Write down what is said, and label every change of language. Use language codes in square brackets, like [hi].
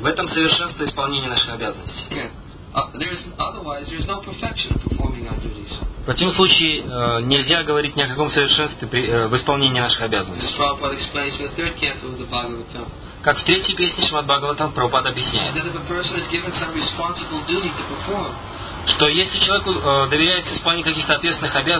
[ru] В этом совершенство исполнения наших обязанностей. [en] Otherwise, there's no perfection of performing our duties. [ru] В этом случае нельзя говорить ни о каком совершенстве в исполнении наших обязанностей. [en] This Prabhupada explains in the third canto of the Bhagavatam. [ru] Как в третьей песне Шримад Бхагаватам Прабхупада объясняет. [en] That if a person is given some responsible duty to perform, [ru] что если человеку доверяется исполнение каких-то ответственных